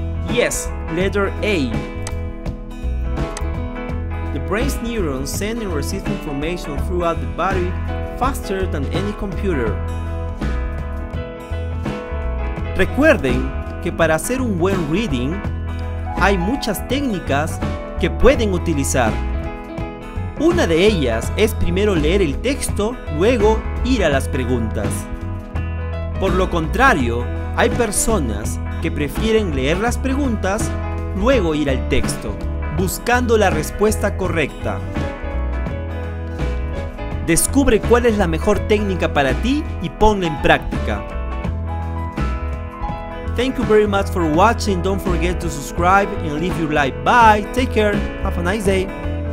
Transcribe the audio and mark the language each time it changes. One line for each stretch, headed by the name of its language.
English: Yes, letter A. The brain's neurons send and receive information throughout the body faster than any computer.
Spanish: Recuerden que para hacer un buen reading hay muchas técnicas que pueden utilizar. Una de ellas es primero leer el texto, luego ir a las preguntas. Por lo contrario, hay personas que prefieren leer las preguntas, luego ir al texto, buscando la respuesta correcta. Descubre cuál es la mejor técnica para ti y ponla en práctica.
English: Thank you very much for watching. Don't forget to subscribe and leave your like. Bye. Take care. Have a nice day.